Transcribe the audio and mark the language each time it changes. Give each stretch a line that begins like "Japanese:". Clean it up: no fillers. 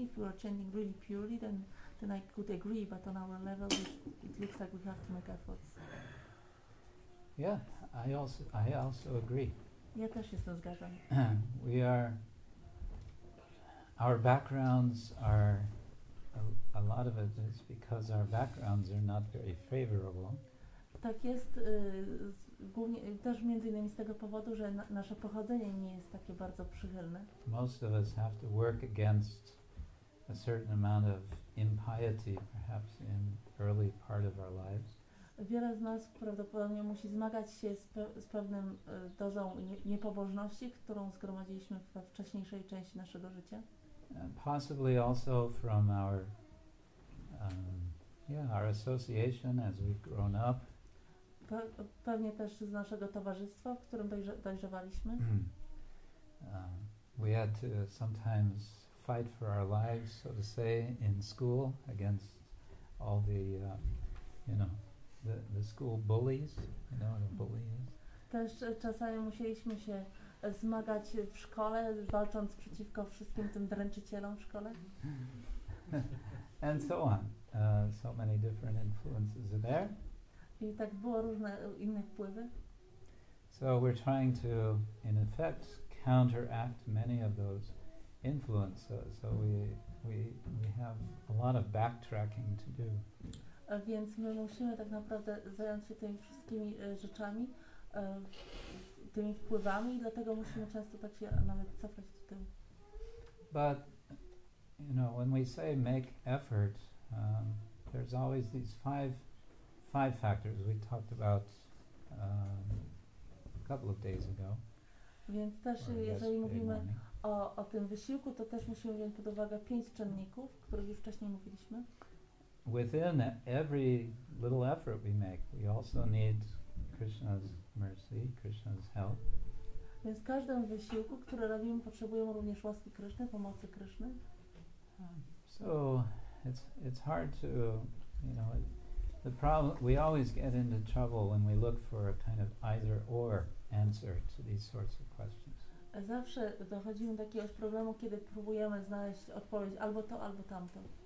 English: If we are chanting really purely, then I could agree, but on our level it looks like we have to make efforts. Yeah, I also agree.
Polish: Ja też się z tym zgadzam.
English: We are, our backgrounds are, a lot of it is because our backgrounds are not very favorable.
Polish: Tak jest, głównie, też między innymi z tego powodu, że nasze pochodzenie nie jest takie bardzo przychylne.
English: Most of us have to work against a certain amount of impiety, perhaps in early part of our lives.
Polish: Wiele z nas prawdopodobnie musi zmagać się z pewnym dozą niepobożności, którą zgromadziliśmy we wcześniejszej części naszego życia.
English: Possibly also from our association as we've grown up.
Polish: Pewnie też z naszego towarzystwa, w którym dojrzewaliśmy.
English: We had to sometimes fight for our lives, so to say, in school against all the, the school bullies, you know what a bully is?
Polish: Też czasami musieliśmy się zmagać w szkole, walcząc przeciwko wszystkim tym dręczycielom w szkole.
English: And so on. So many different influences are there.
Polish: I tak było różne inne wpływy.
English: So we're trying to, in effect, counteract many of those influences. So we have a lot of backtracking to do.
Polish: A więc my musimy tak naprawdę zająć się tymi wszystkimi rzeczami, tymi wpływami, dlatego musimy często tak się nawet cofać do tyłu.
English: But, you know, when we say make effort, there's always these five factors we talked about a couple of days ago.
Polish: Więc też, jeżeli mówimy o tym wysiłku, to też musimy wziąć pod uwagę pięć czynników, o których już wcześniej mówiliśmy.
English: Within every little effort we make, we also need Krishna's mercy, Krishna's help.
Polish: Więc w każdym wysiłku, który robimy, potrzebujemy również łaski Kryszny, pomocy Kryszny.
English: So it's hard to, you know, the problem, we always get into trouble when we look for a kind of either or answer to these sorts of questions.
Polish: Zawsze dochodzimy do jakiegoś problemu, kiedy próbujemy znaleźć odpowiedź albo to, albo tamto.